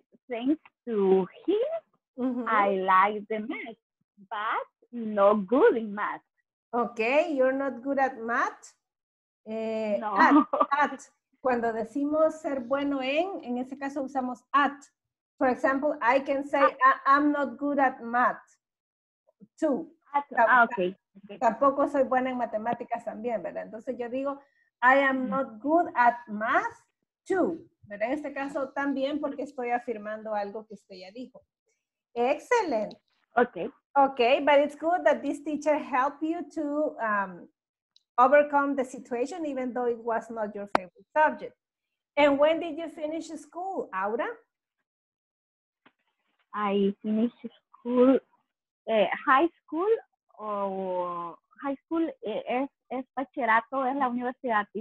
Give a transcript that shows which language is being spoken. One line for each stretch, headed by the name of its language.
English: Thanks to him, I like the math, but not good in math. Okay, you're not good at math. No.
Spanish: At cuando decimos ser bueno en ese caso usamos at.
English: For example, I can say I'm not good at math. Too. Okay.
Spanish: Tampoco soy buena en matemáticas también, ¿verdad? Entonces yo digo
English: I am not good at math too.
Spanish: ¿Verdad? En este caso también porque estoy afirmando algo que usted ya dijo.
English: Excellent. Okay. Okay, but it's good that this teacher helped you to overcome the situation, even though it was not your favorite subject. And when did you finish school, Aura? I finished school, high school is bachillerato,
Spanish: es la universidad.